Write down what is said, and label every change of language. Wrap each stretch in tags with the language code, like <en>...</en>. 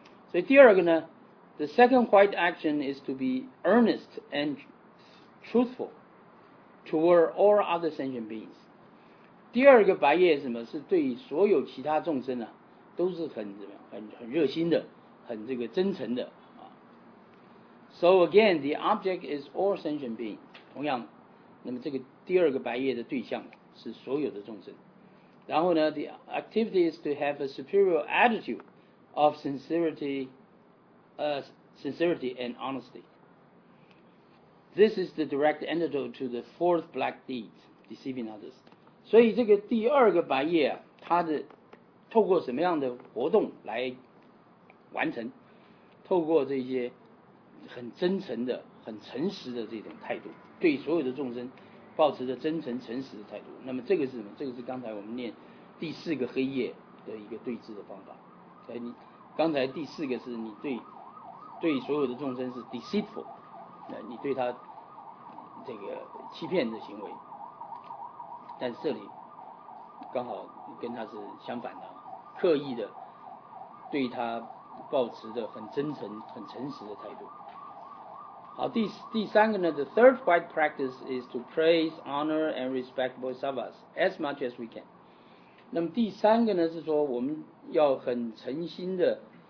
<zh>所以第二个呢，</zh> <en>The second white action is to be earnest and truthful toward all other sentient beings.</en> <zh>第二个白业是什么？是对所有其他众生啊，都是很热心的，很这个真诚的啊。</zh> <en>So again, the object is all sentient beings.</en> <zh>同样，那么这个第二个白业的对象是所有的众生。然后呢</zh> <en>，the activity is to have a superior attitude of sincerity. Sincerity and honesty. This is the direct antidote to the fourth black deed, deceiving others.</en> <zh>所以这个第二个白业，它的透过什么样的活动来完成？透过这些很真诚的、很诚实的这种态度，对所有的众生保持着真诚、诚实的态度。那么这个是什么？这个是刚才我们念第四个黑夜的一个对峙的方法。你刚才第四个是你对所有的众生是 deceitful， 那你对他这个欺骗的行为，但是这里刚好跟他是相反的，刻意的对他抱持着很真诚、很诚实的态度。好，第三个呢</zh> <en>，the third white practice is to praise, honor, and respect Bodhisattvas as much as we can。</en> <zh>那么第三个呢，是说我们要很诚心的。</zh>